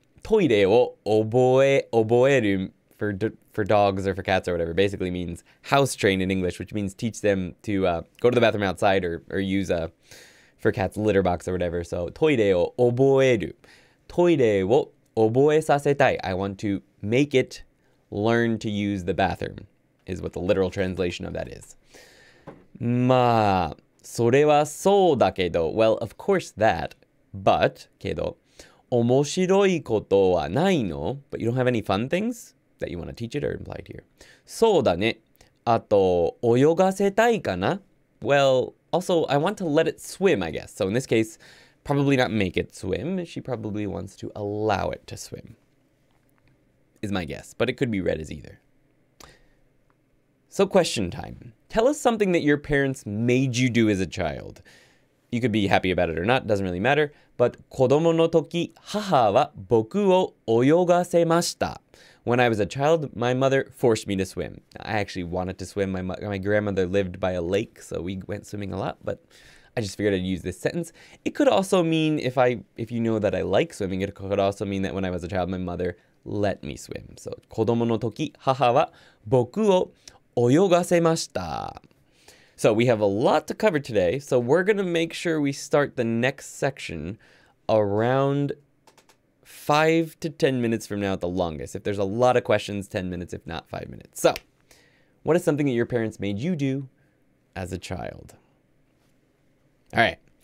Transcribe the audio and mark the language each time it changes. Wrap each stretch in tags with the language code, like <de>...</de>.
<ja>トイレを覚える</ja> <en>for dogs or for cats or whatever basically means house train in English, which means teach them to go to the bathroom outside or use a for cats litter box or whatever. So,</en> <ja>トイレを覚える。トイレを覚えさせたい。</ja> <en>I want to make itLearn to use the bathroom is what the literal translation of that is.</en> <ja>まあ、それはそうだけど。</ja> <en>Well, of course that, but,</en> <ja>けど、面白いことはないの?</ja> <en>But you don't have any fun things that you want to teach it or implied here.</en> <ja>そうだね。あと、泳がせたいかな?</ja> <en>Well, also, I want to let it swim, I guess. So in this case, probably not make it swim. She probably wants to allow it to swim. Is my guess, but it could be read as either. So question time. Tell us something that your parents made you do as a child. You could be happy about it or not, doesn't really matter, but</en> <ja>子供の時、母は僕を泳がせました。</ja> <en>When I was a child, my mother forced me to swim. I actually wanted to swim. My grandmother lived by a lake, so we went swimming a lot, but I just figured I'd use this sentence. It could also mean, if you know that I like swimming, it could also mean that when I was a child, my motherLet me swim. So,</en> <ja>子供の時、母は僕を泳がせました。</ja> <en>So, we have a lot to cover today. So, we're going to make sure we start the next section around 5 to 10 minutes from now at the longest. If there's a lot of questions, 10 minutes, if not 5 minutes. So, what is something that your parents made you do as a child? All right.</en>